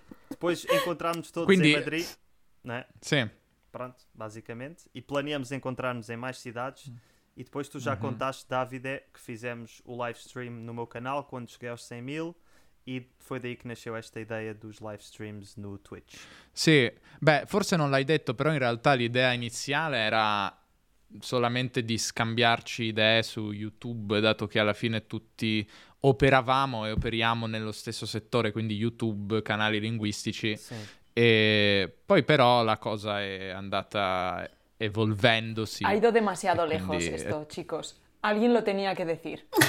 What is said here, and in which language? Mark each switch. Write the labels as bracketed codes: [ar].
[pt] Depois encontramos-nos todos em Madrid, né? Sim. Pronto, basicamente. E planeamos encontrar-nos em mais cidades. E depois tu já contaste, David, que fizemos o live stream no meu canal quando cheguei aos 100 mil. E foi daí che nasceu [it] questa idea [pt] dos live streams no Twitch. [it] Sì, beh, forse non l'hai detto, però in realtà l'idea iniziale era... solamente di scambiarci idee su YouTube, dato che alla fine tutti operavamo e operiamo nello stesso settore, quindi YouTube, canali linguistici. Sì. E poi però la cosa è andata evolvendosi. [es] Ha ido demasiado lejos esto, chicos. Alguien lo tenía que decir.